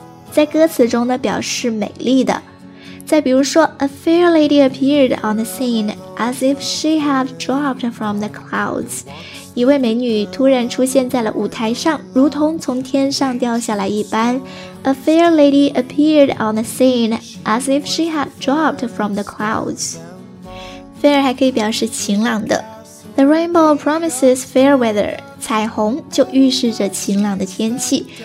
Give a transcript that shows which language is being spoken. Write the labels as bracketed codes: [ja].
[zh] 在歌词中呢表示美丽的，再比如说 [en] A fair lady appeared on the scene as if she had dropped from the clouds， [zh] 一位美女突然出现在了舞台上，如同从天上掉下来一般。 [en] A fair lady appeared on the scene as if she had dropped from the clouds。 [zh] Fair 还可以表示晴朗的。 [en] The rainbow promises fair weather， [zh] 彩虹就预示着晴朗的天气。